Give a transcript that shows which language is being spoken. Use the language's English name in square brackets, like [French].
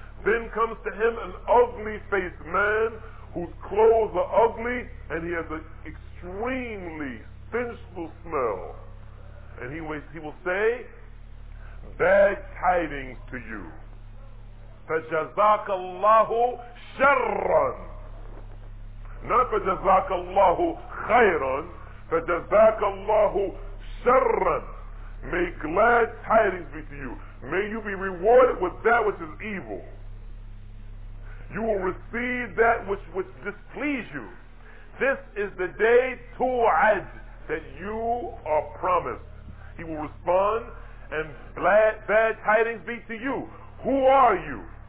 [English] Then comes to him an ugly faced man whose clothes are ugly and he has an extremely stenchful smell. And he will say, bad tidings to you. [Arabic] فَجَزَاكَ اللَّهُ شَرًّا. [English] not [Arabic] فجزاكاللهُ خيرًا, فجزاكاللهُ شرًا. [English] May glad tidings be to you. May you be rewarded with that which is evil. You will receive that which displeases you. This is the day tu'ad that you are promised. He will respond, and bad tidings be to you. Who are you?